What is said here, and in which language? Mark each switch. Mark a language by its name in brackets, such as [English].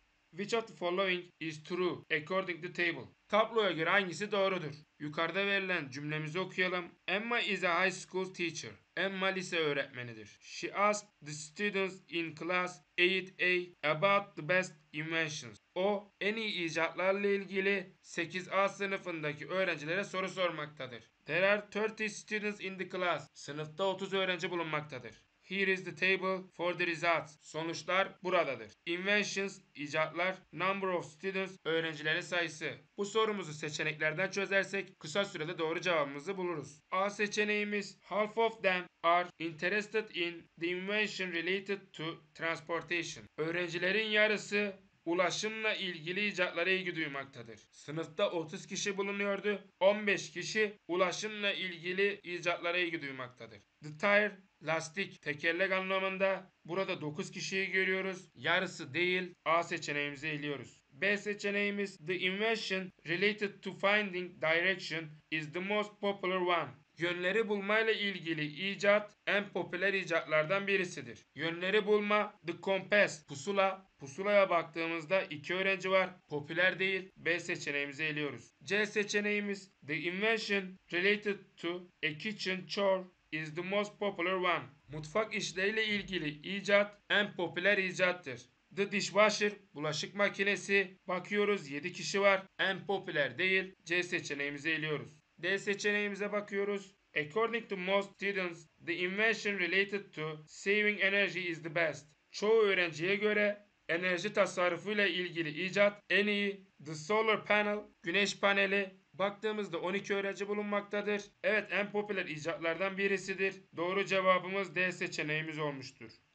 [English] Which of the following is true according to table? [Turkish] Tabloya göre hangisi doğrudur? Yukarıda verilen cümlemizi okuyalım. [English] Emma is a high school teacher. [Turkish] Emma lise öğretmenidir. [English] She asked the students in class 8A about the best inventions. [Turkish] O en iyi icatlarla ilgili 8A sınıfındaki öğrencilere soru sormaktadır. [English] There are 30 students in the class. [Turkish] Sınıfta 30 öğrenci bulunmaktadır. [English] Here is the table for the results. [Turkish] Sonuçlar buradadır. [English] Inventions, icatlar, number of students, [Turkish] öğrencilerin sayısı. Bu sorumuzu seçeneklerden çözersek kısa sürede doğru cevabımızı buluruz. A seçeneğimiz [English] half of them are interested in the invention related to transportation. [Turkish] Öğrencilerin yarısı ulaşımla ilgili icatlara ilgi duymaktadır. Sınıfta 30 kişi bulunuyordu. 15 kişi ulaşımla ilgili icatlara ilgi duymaktadır. The tire, lastik, tekerlek anlamında. Burada 9 kişiyi görüyoruz. Yarısı değil. A seçeneğimizi eliyoruz. B seçeneğimiz [English] the invention related to finding direction is the most popular one. [Turkish] Yönleri bulmayla ilgili icat en popüler icatlardan birisidir. Yönleri bulma, the compass, pusula. Pusulaya baktığımızda 2 öğrenci var. Popüler değil. B seçeneğimizi eliyoruz. C seçeneğimiz [English] the invention related to a kitchen chore is the most popular one. [Turkish] Mutfak işleriyle ilgili icat en popüler icattır. The dishwasher, bulaşık makinesi. Bakıyoruz 7 kişi var. En popüler değil. C seçeneğimizi eliyoruz. D seçeneğimize bakıyoruz. [English] According to most students, the invention related to saving energy is the best. [Turkish] Çoğu öğrenciye göre enerji tasarrufuyla ilgili icat en iyi. The solar panel, güneş paneli. Baktığımızda 12 öğrenci bulunmaktadır. Evet, en popüler icatlardan birisidir. Doğru cevabımız D seçeneğimiz olmuştur.